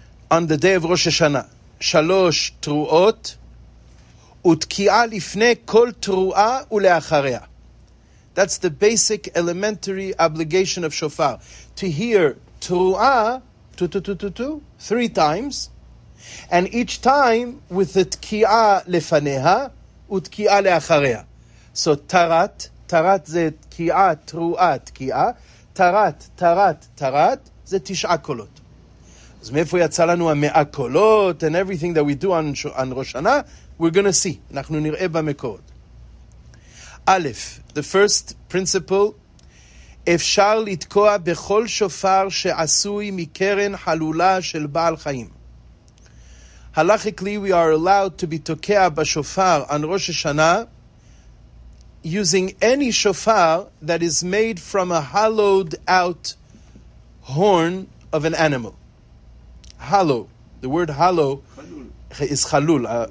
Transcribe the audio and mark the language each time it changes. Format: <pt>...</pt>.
<en>On the day of Rosh Hashanah,</en> <he>shalosh truot, ותקיעה לפני כל תרועה ולאחריה.</he> <en>That's the basic elementary obligation of shofar. To hear תרועה, three times, and each time with the</en> <he>תקיעה לפניה ותקיעה לאחריה. So תרת זה תקיעה, תרועה, תקיעה. תרת זה תשעה קולות. אז מאיפה יצא לנו המאה קולות</he> <en>and everything that we do on Rosh Hashanah? We're going to see.</en> <he>אנחנו נראה במקורות. אלף,</he> <en>the first principle,</en> <he>אפשר לתקוע בכל שופר שעשוי מקרן חלולה של בעל חיים.</he> <en>Halachically, we are allowed to be</en> <he>תוקע בשופר</he> <en>on Rosh Hashanah using any shofar that is made from a hollowed out horn of an animal. Hollow. The word hollow is halul.</en>